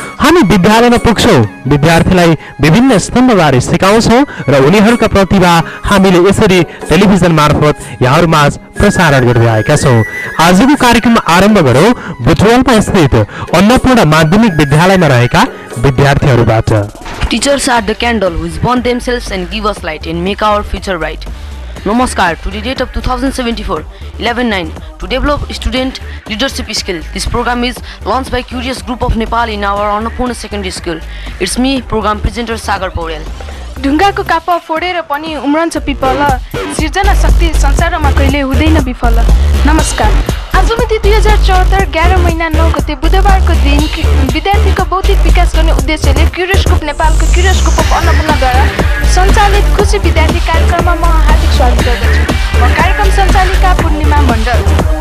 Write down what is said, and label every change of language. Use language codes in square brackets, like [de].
[ne] हामी विद्यालयमा पुग्छौँ विद्यार्थीलाई विभिन्न स्तम्भबारे सिकाउँछौँ र उनीहरूका प्रतिभा हामीले यसरी टेलिभिजन मार्फत यहाँहरूमाझ प्रसारण गर्दै आएका छौँ आजको कार्यक्रम आरम्भ गरौँ बुटवालमा स्थित अन्नपूर्ण माध्यमिक विद्यालयमा रहेका विद्यार्थीहरूबाट [en] Teachers are the candle who burn themselves and give us light and make our future bright. Namaskar, to the date of 2074-11-9, to develop student leadership skills. This program is launched by Curious Group of Nepal in our Annapurna Secondary School. It's me, program presenter Sagar Pauryal. [ne] ढुङ्गाको कापा फोडेर पनि उम्रन्छ people सृजना शक्ति संसारमा कहिले हुँदैन विफल नमस्कार आज मिति 2074 11 महिना 9 गते बुधबारको दिन विद्यार्थीको बौद्धिक विकास गर्ने उद्देश्यले क्युरियस ग्रुप नेपालको क्युरियस ग्रुप अफ अन्नपूर्णद्वारा सञ्चालित खुसी विद्यार्थी कार्यक्रममा म हार्दिक स्वागत गर्दछु म कार्यक्रम सञ्चालिका पूर्णिमा मण्डल